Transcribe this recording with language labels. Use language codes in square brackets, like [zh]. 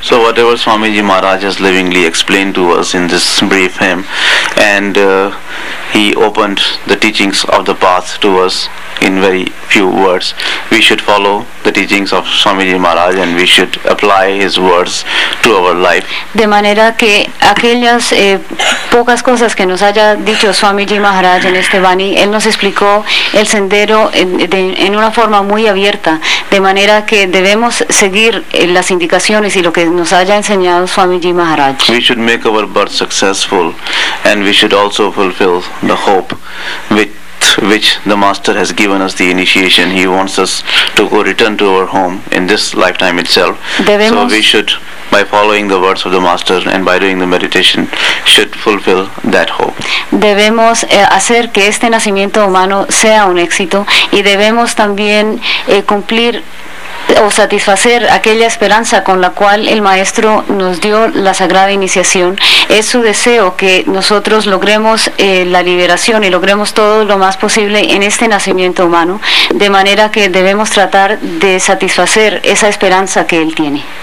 [en] So whatever Swami ji Maharaj has lovingly explain to us in this brief him and he opened the teachings of the path to us In very few words, we should follow the teachings of Swamiji Maharaj and we should apply his words to our life. [es] De manera que aquellas pocas cosas que nos haya dicho Swamiji Maharaj en este Bani, él nos explicó el sendero en una forma muy abierta, de manera que debemos seguir las indicaciones y lo que nos haya enseñado Swamiji Maharaj. [en] We should make our birth successful and we should also fulfill the hope which the master has given us the initiation. He wants us to go return to our home in this lifetime itself. [es] Debemos, [en] so we should, by following the words of the master and by doing the meditation, should fulfill that hope. [es] Debemos hacer que este nacimiento humano sea un éxito y debemos también cumplir o satisfacer aquella esperanza con la cual el maestro nos dio la sagrada iniciación. Es su deseo que nosotros logremos la liberación y logremos todo lo más posible en este nacimiento humano, de manera que debemos tratar de satisfacer esa esperanza que él tiene.